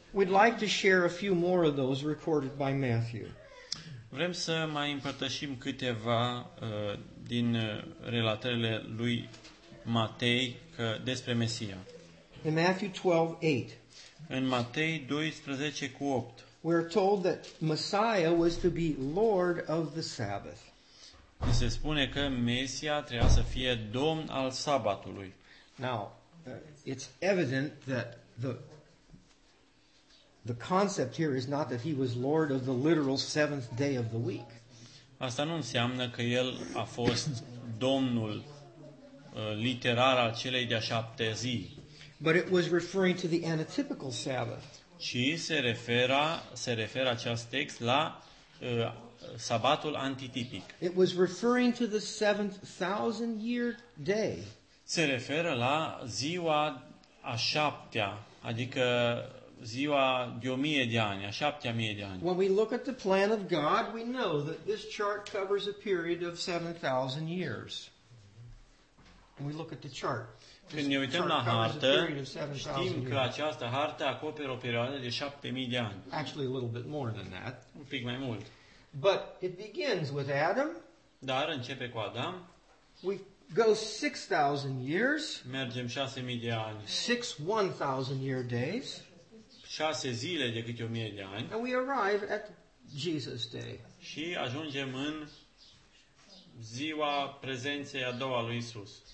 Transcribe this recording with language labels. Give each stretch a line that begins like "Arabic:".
English: We'd like to share a few more of those recorded by Matthew.
Romanian: Vrem să mai împărtășim câteva din relatările lui Matei despre Mesia.
English: In Matthew 12:8.
Romanian: În Matei 12 cu 8.
English: We're told that Messiah was to be Lord of the Sabbath.
Romanian: Se spune că Mesia trebuia să fie domn al sabatului.
English: Now, it's evident that the concept here is not that he was Lord of the literal seventh day of the week.
Romanian: Asta nu înseamnă că el a fost domnul literar al celei de-a șapte zi.
English: But it was referring to the antitypical Sabbath.
Romanian: Ci se referă acest text la sabatul antitipic.
English: It was referring to the 7,000 year day.
Romanian: Se referă la ziua a șaptea, adică ziua de 1000 de ani, a 7000 de ani.
English: When we look at the plan of God, we know that this chart covers a period of 7,000 years. When we look at the chart,
Romanian: când ne uităm la hartă, știm că această hartă acoperă o perioadă de 7000 de ani.
English: Actually a little bit more than that.
Romanian: Un pic mai mult.
English: But it begins with Adam.
Romanian: Dar începe cu Adam.
English: We go 6000 years.
Romanian: Mergem 6000 de ani.
English: 6 1000 year days.
Romanian: 6 zile de câte 1000 de ani.
English: And we arrive at Jesus day.
Romanian: Și ajungem în ziua prezenței a doua lui Isus.